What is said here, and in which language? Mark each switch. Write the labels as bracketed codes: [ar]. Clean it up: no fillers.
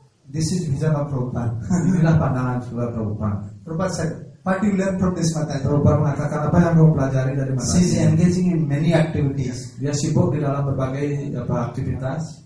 [en] This is Vijaya Prabhupada. [id] Inilah pandangan Vijaya Prabhupada. [en] Prabhupada said, what you learn from this Mataji? [id] Prabhupada mengatakan apa yang kamu pelajari dari Mataji? [en] She is engaging in many activities. [id] Dia sibuk di dalam berbagai apa aktivitas.